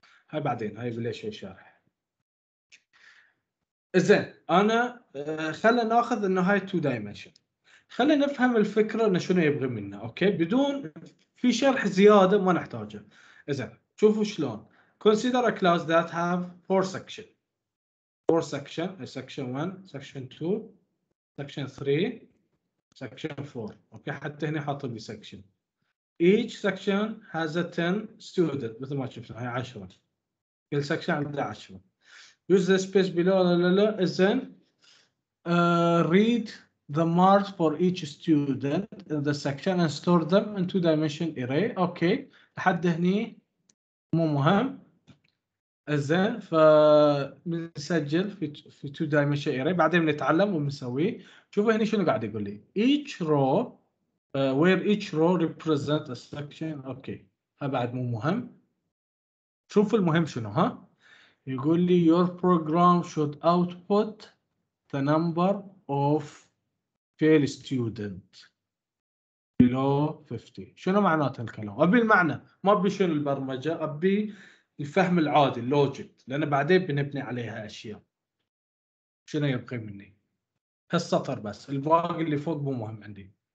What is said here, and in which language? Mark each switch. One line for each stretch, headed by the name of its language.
Arabic: هاي بعدين، هاي بلاش الشرح. زين انا خلينا ناخذ انه هاي 2 دايمنشن، خلينا نفهم الفكره انه شنو يبغي منا. اوكي بدون في شرح زياده ما نحتاجه. زين شوفوا شلون.
English: consider a class that have four section. four section، section 1 section 2 section 3 section 4.
Arabic: اوكي حتى هنا حاطه لي section.
English: each section has a 10 student.
Arabic: مثل ما شفنا هاي 10، كل section عنده 10.
English: use the space below.
Arabic: لا لا لا.
English: then read the marks for each student in the section and store them in two dimension array.
Arabic: اوكي لحد هنا مو مهم. زين فبنسجل في 2 دايمنشن اري، بعدين بنتعلم وبنسوي. شوفوا هنا شنو قاعد يقول لي.
English: each row where each row represent a section.
Arabic: اوكي هذا بعد مو مهم. شوف المهم شنو. ها يقول لي
English: your program should output the number of fail student below 50.
Arabic: شنو معناته الكلام؟ ابي المعنى، ما ابي شنو البرمجه، ابي الفهم العادي اللوجيك، لان بعدين بنبني عليها اشياء. شنو يبقي مني هالسطر بس، الباقي اللي فوق مو مهم عندي.